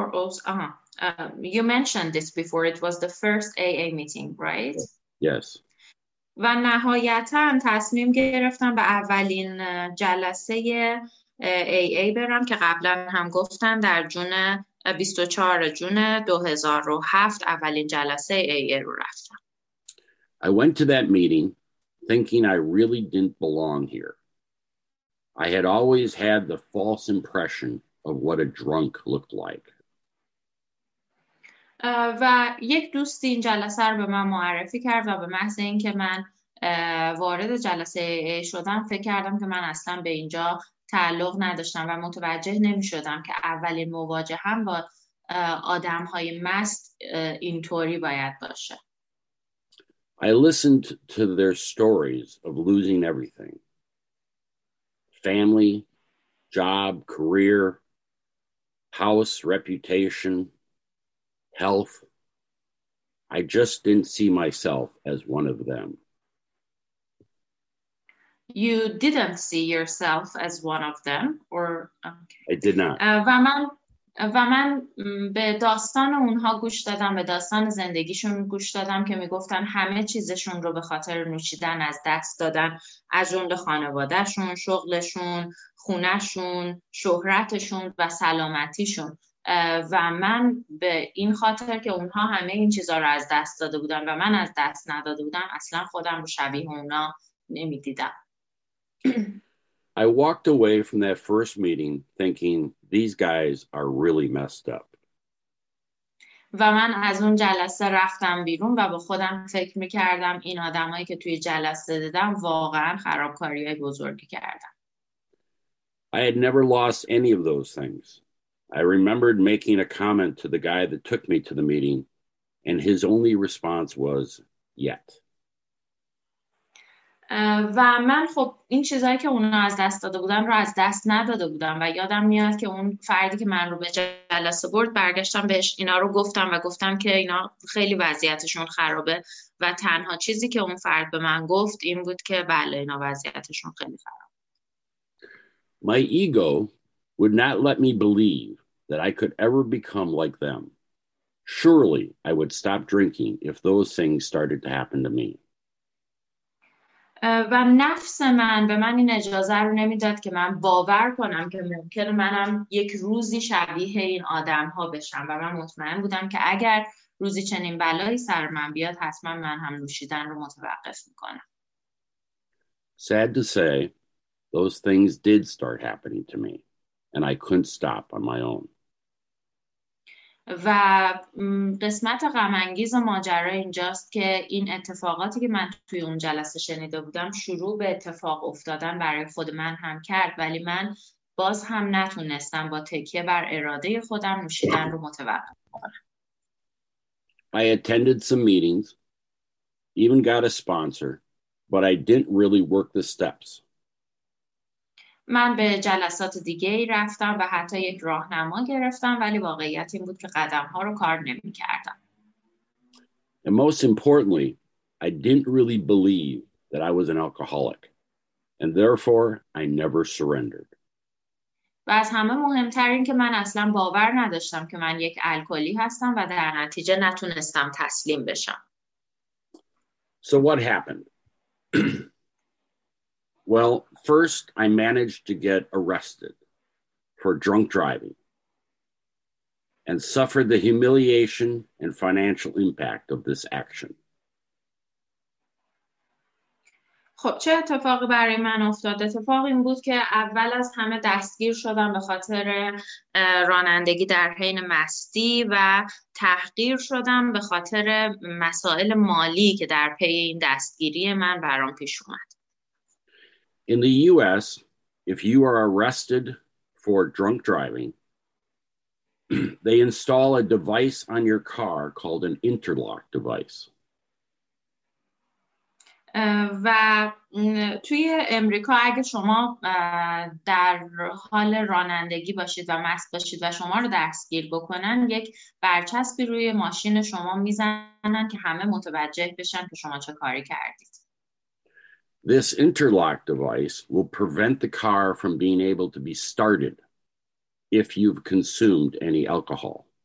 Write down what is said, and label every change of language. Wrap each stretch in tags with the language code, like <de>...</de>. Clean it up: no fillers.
<en>6/24, you mentioned this before, it was the first AA meeting, right? Yes.</en> <fa>و نهایتاً تصمیم گرفتم به اولین جلسه AA برم که قبلاً هم گفتن در جون 24 جون 2007 اولین جلسه AA رو رفتم.</fa> <en>I went to that meeting thinking I really didn't belong here. I had always had the false impression of what a drunk looked like.</en> <fa>و یک دوست این جلسه رو به من معرفی کرد و به محض اینکه من وارد جلسه AA شدم، فکر کردم که من اصلا به اینجا تعلق نداشتم و متوجه نمی شدم که اولین مواجه هم با آدم های مست اینطوری باید باشه.</fa> <en>I listened to their stories of losing everything. Family, job, career, house, reputation, health. I just didn't see myself as one of them. You didn't see yourself as one of them, or okay. I did not.</en> <fa>و من به داستان اونها گوش دادم، به داستان زندگیشون گوش دادم که میگفتن همه چیزشون رو به خاطر نوشیدن از دست دادن، از جمله خانوادهشون، شغلشون، خونهشون، شهرتشون و سلامتیشون. و من به این خاطر که اونها همه این چیزا رو از دست داده بودن و من از دست نداده بودم، اصلا خودم رو شبیه اونها نمیدیدم.</fa> <en>I walked away from that first meeting thinking these guys are really messed up.</en> <fa>و من از اون جلسه رفتم بیرون و با خودم فکر میکردم این آدمایی که توی جلسه دیدم واقعا خرابکاری های بزرگی کردن.</fa> <en>I had never lost any of those things. I remembered making a comment to the guy that took me to the meeting, and his only response was, yet.</en> <fa>و من خب این چیزایی که اونو از دست داده بودم رو از دست نداده بودم و یادم میاد که اون فردی که من رو به جلسه برد برگشتم بهش اینا رو گفتم و گفتم که اینا خیلی وضعیتشون خرابه و تنها چیزی که اون فرد به من گفت این بود که بله اینا وضعیتشون خیلی خرابه.</fa> <en>My ego would not let me believe that I could ever become like them. Surely I would stop drinking if those things started to happen to me.</en> <fa>و نفس من به من این اجازه رو نمیداد که من باور کنم که ممکن منم یک روزی شبیه این آدم ها بشم و من مطمئن بودم که اگر روزی چنین بلایی سر من بیاد حتما من هم نوشیدن رو متوقف میکنم.</fa> <en>Sad to say, those things did start happening to me and I couldn't stop on my own.</en> <fa>و قسمت غم انگیز ماجرا اینجاست که این اتفاقاتی که من توی اون جلسه شنیده بودم شروع به اتفاق افتادن برای خود من هم کرد، ولی من باز هم نتونستم با تکیه بر اراده خودم نوشیدن رو متوقف کنم.</fa> <en>I attended some meetings, even got a sponsor, but I didn't really work the steps.</en> <fa>من به جلسات دیگه ای رفتم و حتی یک راهنما گرفتم، ولی واقعیت این بود که قدم ها رو کار نمی کردم.</fa> <en>And most importantly, I didn't really believe that I was an alcoholic, and therefore I never surrendered.</en> <fa>و از همه مهمتر این که من اصلا باور نداشتم که من یک الکلی هستم و در نتیجه نتونستم تسلیم بشم.</fa> <en>So what happened? Well, first I managed to get arrested for drunk driving and suffered the humiliation and financial impact of this action.</en> <fa>خب چه اتفاقی برای من افتاد؟ اتفاق این بود که اول از همه دستگیر شدم به خاطر رانندگی در حین مستی و تحقیر شدم به خاطر مسائل مالی که در پی این دستگیری من برام پیش اومد.</fa> <en>In the US, if you are arrested for drunk driving, they install a device on your car called an interlock device.</en> <fa>و توی امریکا اگه شما در حال رانندگی باشید و مست باشید و شما رو دستگیر بکنن، یک برچسبی روی ماشین شما میزنن که همه متوجه بشن که شما چه کاری کردید.</fa> <en>This interlock device will prevent the car from being able to be started if you've consumed any alcohol.</en>